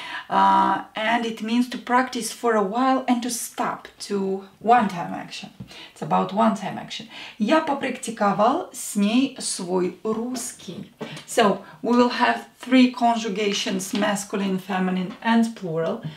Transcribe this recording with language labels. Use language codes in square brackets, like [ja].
[en] And it means to practice for a while and to stop, to one-time action. It's about one-time action. [ru] Я попрактиковал с ней свой русский. [en] So, we will have three conjugations, masculine, feminine, and plural.